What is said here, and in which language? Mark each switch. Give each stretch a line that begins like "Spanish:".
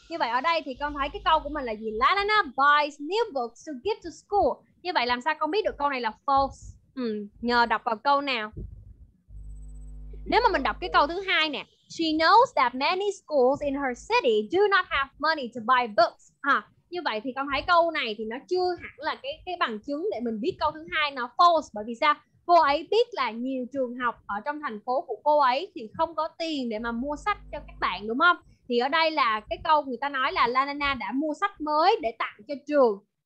Vietnamese: Như vậy ở đây thì con thấy cái câu của mình là gì?
English: Lana buys new books to give to school.
Vietnamese: Như vậy làm sao con biết được câu này là false? Nhờ đọc vào câu nào? Nếu mà mình đọc cái câu thứ hai nè.
English: She knows that many schools in her city do not have money to buy books.
Vietnamese: Như vậy thì con thấy câu này thì nó chưa hẳn là cái bằng chứng để mình biết câu thứ hai nó false. Bởi vì sao? Cô ấy biết là nhiều trường học ở trong thành phố của cô ấy thì không có tiền để mà mua sách cho các bạn, đúng không? Thì ở đây là cái câu người ta nói là Lana đã mua sách mới để tặng cho trường.